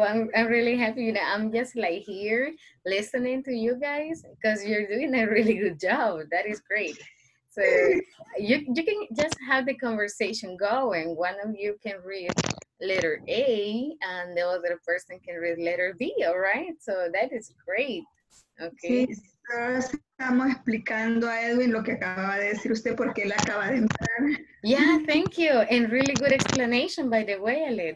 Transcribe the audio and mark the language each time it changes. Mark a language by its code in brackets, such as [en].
[en] I'm really happy that I'm just like here listening to you guys because you're doing a really good job. That is great. So you can just have the conversation going. One of you can read letter A and the other person can read letter B, all right? So that is great. Okay. [es] Estamos explicando a Edwin lo que acababa de decir usted porque él acaba de entrar. [en] Yeah, thank you. And really good explanation, by the way, Ale.